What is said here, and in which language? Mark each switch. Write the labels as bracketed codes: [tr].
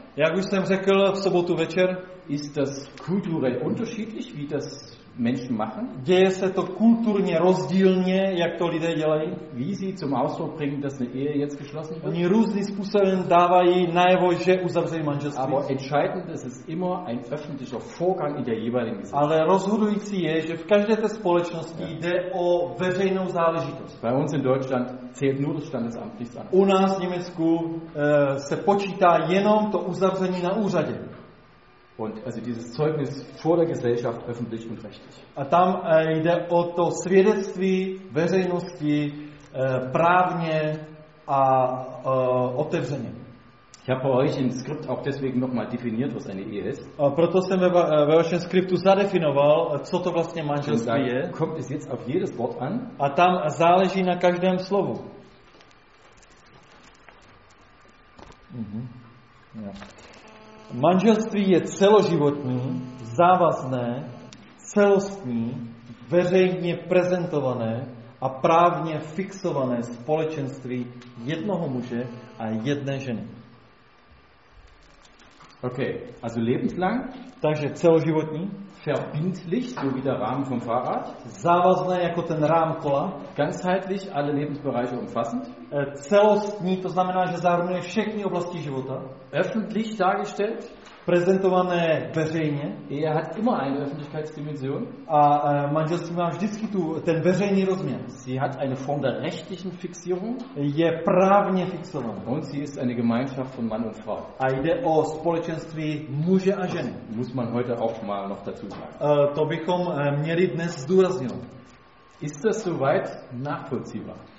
[cs] jak už jsem řekl v sobotu večer, [de] ist das kulturell unterschiedlich, wie das Menschen machen. [cs] Děje se to kulturně rozdílně, jak to lidé dělají. [de] Wie sie zum Ausdruck bringen, dass eine Ehe jetzt geschlossen wird. [cs] Oni různým způsobem dávají najevo, že uzavřeli manželství. [de] Aber entscheidend ist es immer ein öffentlicher Vorgang in der jeweiligen Gesellschaft. [cs] Ale rozhodující je, že v každé té společnosti jde o veřejnou záležitost. [de] Bei uns in Deutschland zählt nur das Standesamt, nichts anderes. [cs] U nás v Německu se počítá jenom to uzavření na úřadě. [de] Und also dieses Zeugnis vor der Gesellschaft öffentlich und rechtlich. [cs] A tam jde o to svědectví veřejnosti právně a otevřeně. [de] Ich habe bei euch im Skript auch deswegen noch mal definiert, was eine Ehe ist. [cs] A proto jsem ve vašem skriptu zadefinoval, co to vlastně manželství je. [de] Kommt es jetzt auf jedes Wort an? [cs] A tam záleží na každém slovu. Manželství je celoživotní, závazné, celostní, veřejně prezentované a právně fixované společenství jednoho muže a jedné ženy. [de] Okay, also lebenslang, [cs] takže celoživotní, [de] verbindlich, so wie der Rahmen vom Fahrrad, [cs] závazné jako ten rám kola, [de] ganzheitlich, alle Lebensbereiche umfassend, [cs] celostní, to znamená, že zahrnuje všechny oblasti života, [de] öffentlich dargestellt, [cs] prezentované veřejně. [de] Er hat immer eine Öffentlichkeitsdimension. [cs] A manželství má vždycky tu ten veřejný rozměr. [de] Sie hat eine Form der rechtlichen Fixierung. [cs] Je právně fixovaná. [de] Und sie ist eine Gemeinschaft von Mann und Frau. [cs] A jde o společenství muže a ženy. [de] Muss man heute auch mal noch dazu sagen. [cs] To bychom měli dnes zdůraznit. [de] Ist das soweit nachvollziehbar?